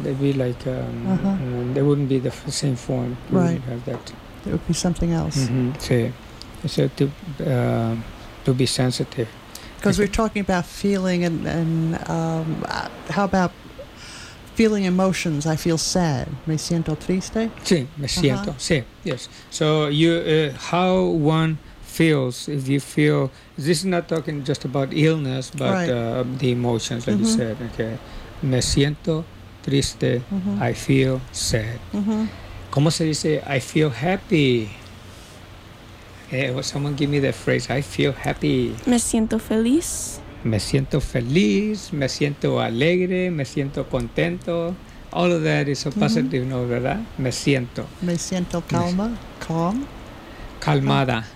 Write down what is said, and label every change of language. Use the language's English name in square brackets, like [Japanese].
[English] They'd be like, they wouldn't be the same form. Right. Have that. It would be something else. Mm-hmm. Sí. So to be sensitive. Because we're talking about feeling, and how about feeling emotions? I feel sad. [Spanish] Me siento triste? Sí, me siento. [English] Sí, yes. So you, how one feels, if you feel, this is not talking just about illness, but the emotions, like you said, okay. [Spanish] Me siento triste, [English] I feel sad. [Spanish] ¿Cómo se dice, [English] I feel happy? Okay, someone give me that phrase, I feel happy. [Spanish] Me siento feliz. Me siento feliz, me siento alegre, me siento contento. [English] All of that is a positive note, ¿verdad? [Spanish] Me siento. Me siento calma, calm. Calmada.